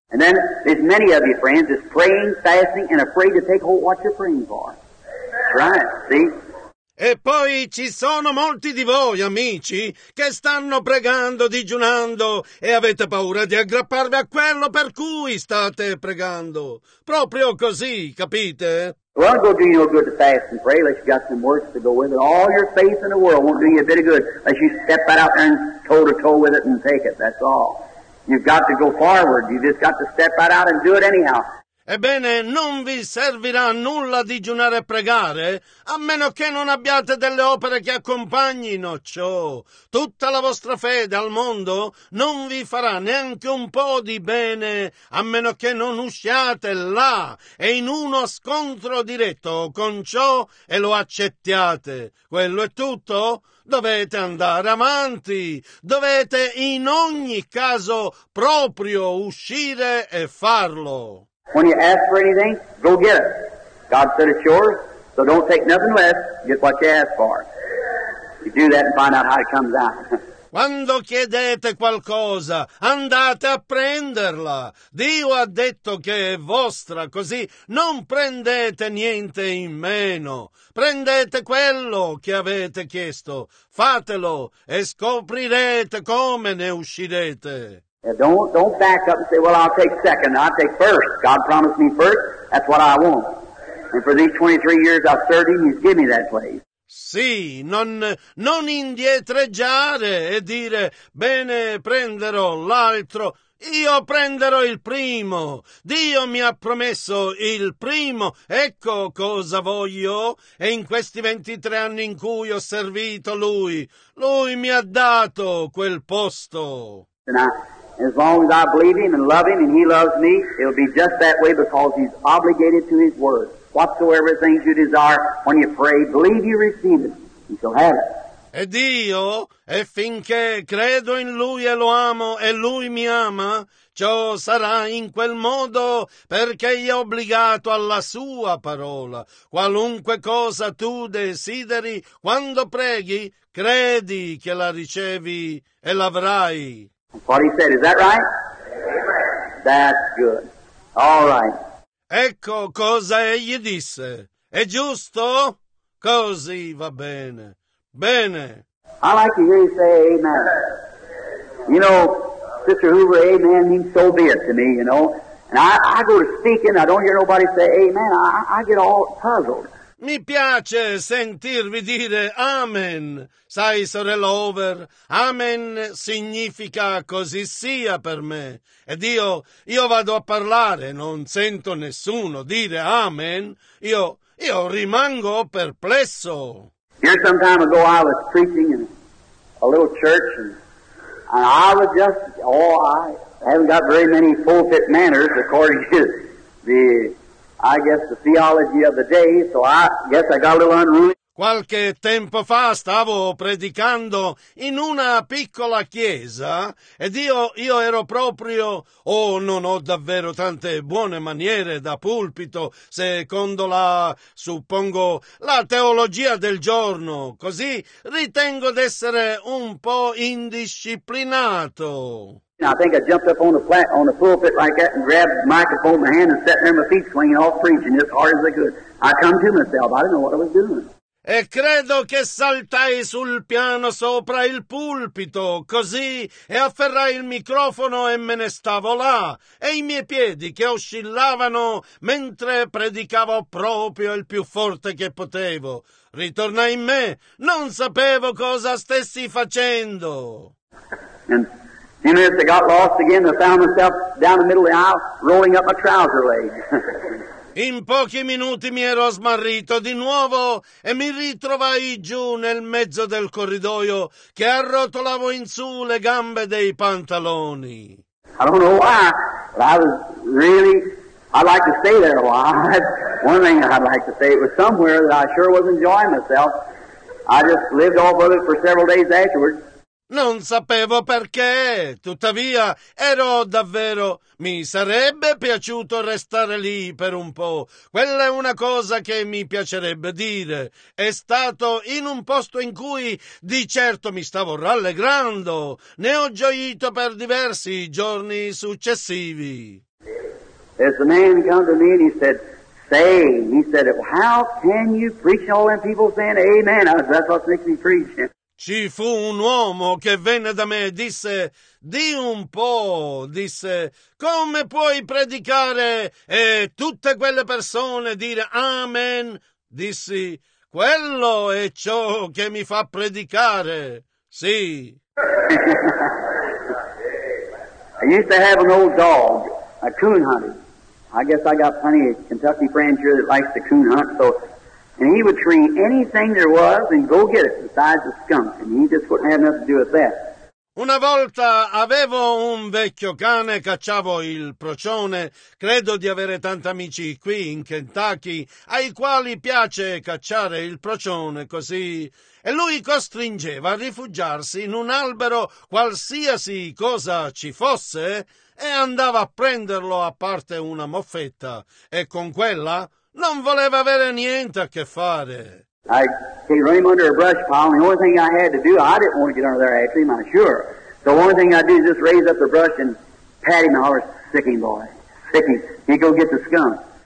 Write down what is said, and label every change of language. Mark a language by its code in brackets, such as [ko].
[en] And then there's many of you friends is praying, fasting and afraid to take hold what you're praying for. Right, see? [it] E poi ci sono molti di voi, amici, che stanno pregando, digiunando e avete paura di aggrapparvi a quello per cui state pregando. Proprio così, capite? [en] Well, it won't do you no good to fast and pray unless you got some works to go with it. All your faith in the world won't do you a bit of good unless you step right out there and toe to toe with it and take it. That's all. You've got to go forward. You just got to step right out and do it anyhow. [it] Ebbene, non vi servirà a nulla digiunare e pregare, a meno che non abbiate delle opere che accompagnino ciò. Tutta la vostra fede al mondo non vi farà neanche un po' di bene, a meno che non usciate là e in uno scontro diretto con ciò e lo accettiate. Quello è tutto? Dovete andare avanti, dovete in ogni caso proprio uscire e farlo. [en] When you ask for anything, go get it. God said it's yours, so don't take nothing less. Get what you ask for. You do that and find out how it comes out. [it] Quando chiedete qualcosa, andate a prenderla. Dio ha detto che è vostra, così non prendete niente in meno. Prendete quello che avete chiesto. Fatelo e scoprirete come ne uscirete. [en] Now don't back up and say, well, I'll take second. I'll take first. God promised me first. That's what I want. And for these 23 years I've served him, he's given me that place. [it] Sì, non indietreggiare e dire, bene, prenderò l'altro. Io prenderò il primo. Dio mi ha promesso il primo. Ecco cosa voglio. E in questi 23 anni in cui ho servito lui mi ha dato quel posto. [en] As long as I believe him and love him and he loves me, it'll be just that way because he's obligated to his word. Whatsoever things you desire, when you pray, believe you receive it, you shall have it. [it] Ed io, e finché credo in lui e lo amo e lui mi ama, ciò sarà in quel modo perché è obbligato alla sua parola. Qualunque cosa tu desideri, quando preghi, credi che la ricevi e l'avrai. [en] What he said, is that right? That's good. All right. [it] Ecco cosa egli disse. È giusto? Così va bene. Bene. [en] I like to hear you say amen. You know, Sister Hoover, amen means so be it to me, you know. And I go to speaking, I don't hear nobody say amen. I get all puzzled. [it] Mi piace sentirvi dire amen, sai sorella Over, amen significa così sia per me. Ed io vado a parlare, non sento nessuno dire amen, io rimango perplesso. [en] Here some time ago I was preaching in a little church and I was just, oh, I haven't got very many pulpit manners according to the I guess, the theology of the day, so I guess I got a little unruly. [it] Qualche tempo fa stavo predicando in una piccola chiesa ed io ero proprio, oh, non ho davvero tante buone maniere da pulpito, secondo la, suppongo, la teologia del giorno, così ritengo d'essere un po' indisciplinato. [en] I think I jumped up on the pulpit like that and grabbed the microphone in my hand and sat there my feet swinging off preaching as hard as I could. I come to myself, I didn't know what I was doing. [it] E credo che saltai sul piano sopra il pulpito, così, e afferrai il microfono e me ne stavo là, e i miei piedi che oscillavano mentre predicavo proprio il più forte che potevo. Ritornai in me, non sapevo cosa stessi facendo. [en] And a few minutes I got lost again, I found myself down the middle of the aisle, rolling up my trouser leg. [it] In pochi minuti mi ero smarrito di nuovo e mi ritrovai giù nel mezzo del corridoio che arrotolavo in su le gambe dei pantaloni. [en] I don't know why, but I was really, I'd like to stay there a while. One thing I'd like to say, it was somewhere that I sure was enjoying myself. I just lived off of it for several days afterwards. [it] Non sapevo perché, tuttavia ero davvero, mi sarebbe piaciuto restare lì per un po'. Quella è una cosa che mi piacerebbe dire. È stato in un posto in cui di certo mi stavo rallegrando. Ne ho gioito per diversi giorni successivi. [en] There's a man come to me and he said, say, he said, how can you preach all them people saying amen? That's what makes me preach. [it] Ci fu un uomo che venne da me e disse, di un po', disse, come puoi predicare e tutte quelle persone dire amen? Dissi, quello è ciò che mi fa predicare, sì. [en] I used to have an old dog, a coon hunter. I guess I got plenty of Kentucky friends here that likes to coon hunt, so... And he would train anything there was and go get it besides the skunk. And he just wouldn't have enough to do with that. [it] Una volta avevo un vecchio cane, cacciavo il procione. Credo di avere tanti amici qui in Kentucky ai quali piace cacciare il procione così. E lui costringeva a rifugiarsi in un albero qualsiasi cosa ci fosse e andava a prenderlo a parte una moffetta. E con quella... non voleva avere niente a che fare. [en] I came running under a brush pile, and the only thing I had to do, I didn't want to get under there actually, I'm not sure. The only thing I did is just raise up the brush and pat him, oh, sick him boy, sick him, he go get the skunk.